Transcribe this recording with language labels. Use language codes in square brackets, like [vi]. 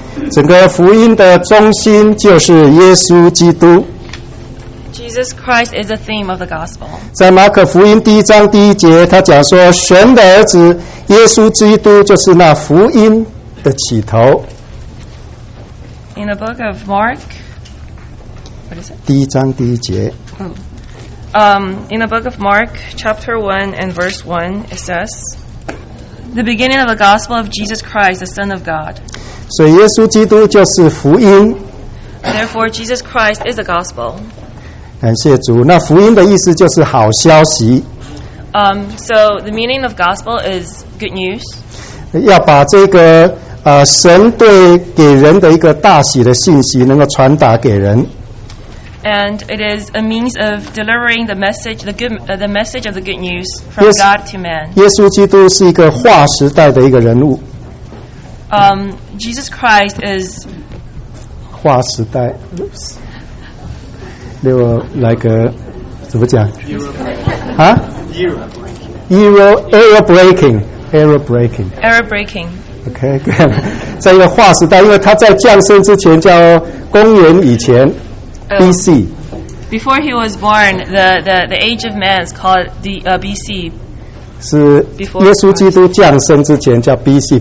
[zh] 整个福音的中心就是耶稣基督。 [en] Jesus Christ is the theme of the gospel. [zh] 在马可福音第一章第一节，他讲说，神的儿子耶稣基督就是那福音的起头。 [en] In the book of Mark, what is it? [zh] 第一章第一节。 [en] In the book of Mark, chapter 1 and verse 1, it says, "The beginning of the gospel of Jesus Christ, the Son of God." [zh] 所以耶稣基督就是福音。 [en] Therefore, Jesus Christ is the gospel. [zh] 感谢主。那福音的意思就是好消息。 [en] So the meaning of gospel is good news. [zh] 要把这个神对给人的一个大喜的信息能够传达给人。 [en] And it is a means of delivering the message, the message of the good news from God to man. [zh] 耶稣基督是一个划时代的一个人物。 [en] Jesus Christ is [zh] 划时代。 [en] They were like a [zh] 怎么讲？啊 [en] ？Era breaking. Okay, good. [zh] 在一个划时代，因为他在降生之前叫公元以前 ，B.C. [en] Before he was born, the age of man is called the B.C. [zh] 是耶稣基督降生之前叫 B.C.